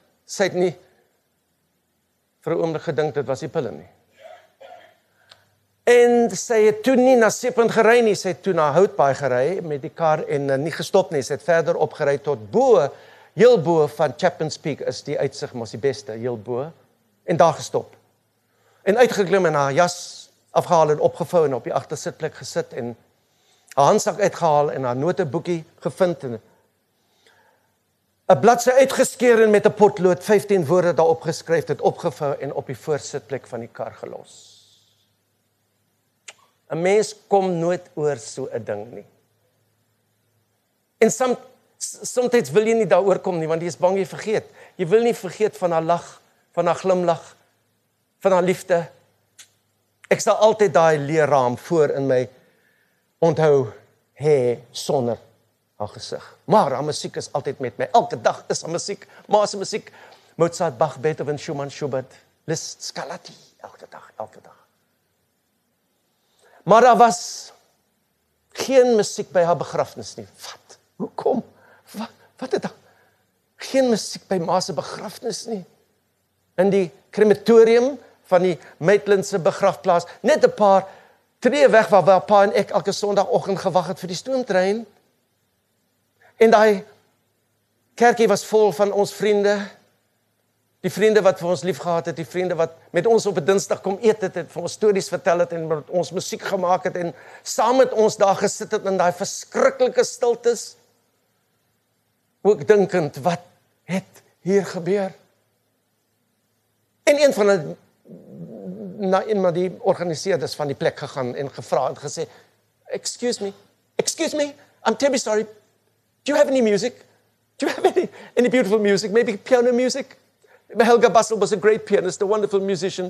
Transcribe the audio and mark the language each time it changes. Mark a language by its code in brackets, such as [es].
[af] Sy het nie vir 'n oomblik gedink dit was die pille nie. En sy het toe nie na Seepunt gery nie, sy het toe na Houtbaai gery met die kar en nie gestop nie. Sy het verder opgery tot bo, heel bo van Chapman's Peak is die uitsig mos die beste, heel bo. En daar gestop. En uitgeklim en haar jas afgehaal en opgevou en op die agtersitplek gesit en haar handsak uitgehaal en haar noteboekie gevind en 'n bladsy uitgeskeer en met 'n potlood 15 woorde daarop geskryf, dit opgevou en op die voorsitplek van die kar gelos. 'N Mens kom nooit oor so 'n ding nie. En soms wil jy nie daaroor kom nie, want jy is bang jy vergeet. Jy wil nie vergeet van haar lag, van haar glimlag, van haar liefde. Ek sal altyd daai leerraam voor in my onthou hê sonder haar gesig. Maar haar musiek is altyd met my. Elke dag is haar musiek. Maar haar musiek, Mozart, Bach, Beethoven, Schumann, Schubert, Liszt, Scarlatti. Elke dag. Maar daar was geen musiek by haar begrafnis nie. Wat? Hoekom? Wat het daar? Geen musiek by ma se begrafnis nie. In die krematorium van die Maitlandse begrafplaas. Net 'n paar tree weg waar pa en ek elke sonoggend gewag het vir die stoomtrein. En daai kerkie was vol van ons vriende. Die vriende wat vir ons lief gehad het, die vriende wat met ons op 'n Dinsdag kom eet het, vir ons stories vertel het en ons musiek gemaak het en saam met ons daar gesit het in daai verskriklike stiltes. Ook dinkend, wat het hier gebeur? En een van hulle na een van die organiseerders van die plek gegaan en gevra en gesê, [en] excuse me, I'm terribly sorry, do you have any music? Do you have any beautiful music? Maybe piano music? Helga Bussell was a great pianist, a wonderful musician.